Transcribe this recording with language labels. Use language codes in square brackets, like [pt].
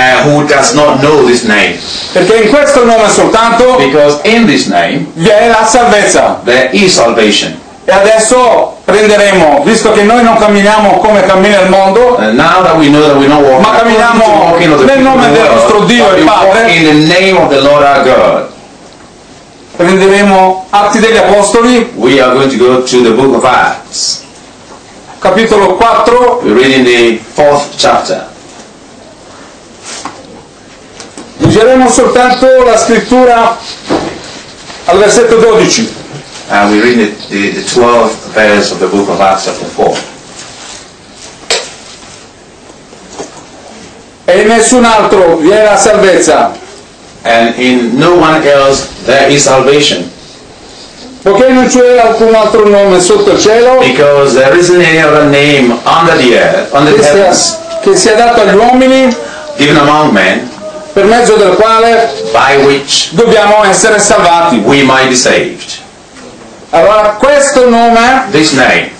[en] Who does not know this name? [it] Perché in questo nome soltanto. [en] Because in this name. [it] Vi è la salvezza. [en] There is salvation. [it] E adesso prenderemo, visto che noi non camminiamo come cammina il mondo, ma camminiamo nel nome del nostro Dio e Padre, [en] in the name of the Lord our God. [it] Prenderemo Atti degli Apostoli. [en] We are going to go to the book of Acts. [it] Capitolo 4. [en] We're reading the fourth chapter. [it] Leggeremo soltanto la scrittura al versetto 12. [en] And we read the 12th verse of the book of Acts, chapter 4. [it] E in nessun altro vi è la salvezza. [en] And in no one else there is salvation. [it] Poiché non c'è alcun altro nome sotto il cielo. [en] Because there isn't any other name under the earth, under the heavens. [it] Che sia dato agli uomini. [en] Given among men. [it] Per mezzo del quale. [en] By which. [it] Dobbiamo essere salvati. [en] We might be saved. [it] Allora questo nome, [en] this name,